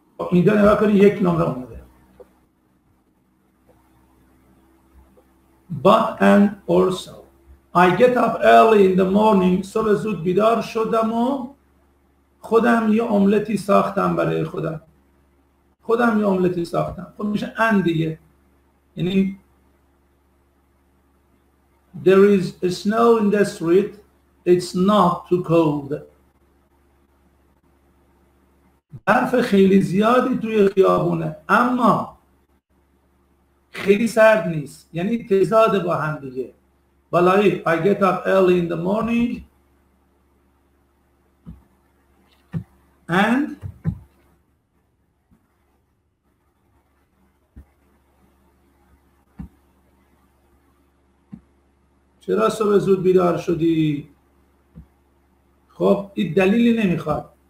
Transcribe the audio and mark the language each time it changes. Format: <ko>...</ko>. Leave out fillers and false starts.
<fa>اینجا نگاه کنید 1 نمره اومده</fa> <en>but and also I get up early in the morning.</en> <fa>صبح زود بیدار شدم و خودم یه املتی ساختم برای خودم. خودم یه املتی ساختم. خب میشه and دیگه. یعنی</fa> <en>there is a snow in the street, it's not too cold.</en> <fa>برف خیلی زیادی توی خیابونه اما خیلی سرد نیست. یعنی تضاد با هم دیگه. بالای</fa> <en>I get up early in the morning and</en> <fa>چرا صبح زود بیدار شدی؟ خب این دلیلی نمیخواد.</fa>